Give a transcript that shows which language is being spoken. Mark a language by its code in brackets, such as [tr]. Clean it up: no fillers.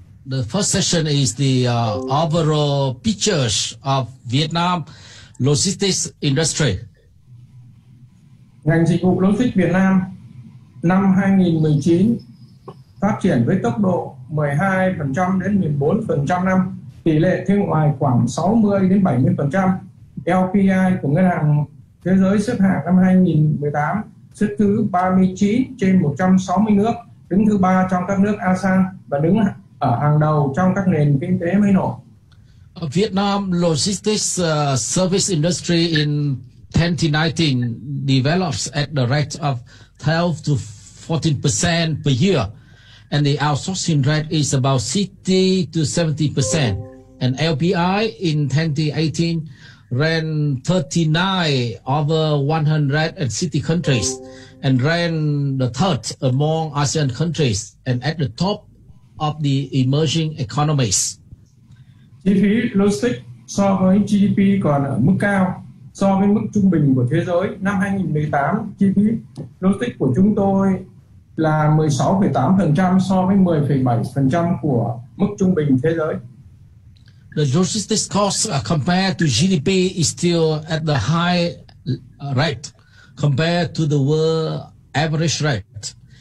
[en] The first session is the overall pictures of Vietnam logistics industry. [vi] Ngành dịch vụ logistics Việt Nam năm 2019 phát triển với tốc độ 12% đến 14% năm, tỷ lệ thương ngoại khoảng 60 đến 70%. LPI của Ngân hàng Thế giới xếp hạng năm 2018 xếp thứ 39 trên 160 nước, đứng thứ 3 trong các nước ASEAN và đứng ở hàng đầu trong các nền kinh tế mới nổi. [en] Vietnam logistics service industry in 2019 develops at the rate of 12 to 14% per year, and the outsourcing rate is about 60 to 70%, and LPI in 2018 ran 39 over 160 countries and ran the third among ASEAN countries and at the top of the emerging economies. [vi] Chi phí logistics so với GDP còn ở mức cao so với mức trung bình của thế giới. Năm 2018, chi phí logistics của chúng tôi là 16,8% so với 10,7% của mức trung bình thế giới. [en] The logistics cost compared to GDP is still at the high rate compared to the world average rate.